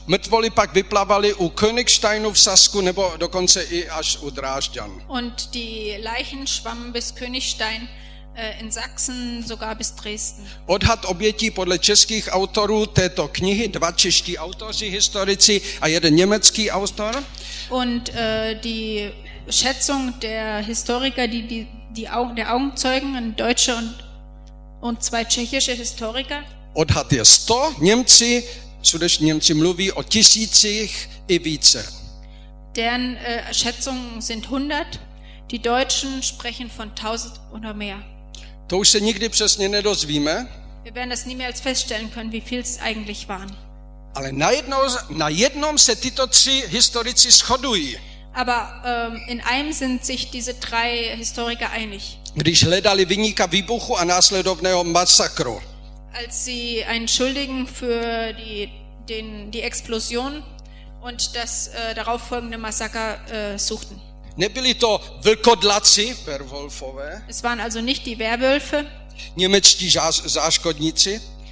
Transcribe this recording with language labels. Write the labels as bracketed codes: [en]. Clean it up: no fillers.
[cs] Mrtvoli pak vyplavali u Königsteinu v Sasku nebo dokonce i až u Drážďan. [de] Und die Leichen schwammen bis Königstein in Sachsen, sogar bis Dresden. [cs] Odhad obětí podle českých autorů této knihy, dva čeští autoři, historici a jeden německý autor. [de] Und die Schätzung der Historiker, der Augenzeugen, ein Deutscher und zwei tschechische Historiker. [cs] Odhad je 100, Němci, sudeční Němci mluví o tisících i více. [de] Deren Schätzung sind 100, die Deutschen sprechen von 1000 oder mehr. [cs] To už se nikdy přesně nedozvíme. [de] Wir werden das niemals feststellen können, wie viel es eigentlich waren. [cs] Ale na jednom se tyto tři historici shodují. [de] Aber in einem sind sich diese drei Historiker einig. [cs] Když hledali viníka výbuchu a následovného masakru. [de] Als sie einen Schuldigen für die Explosion und das darauf folgende Massaker suchten. [cs] Nebyli to vlkodlaci, werwolfové. [de] Es waren also nicht die Werwölfe. [cs] Němečtí záškodníci.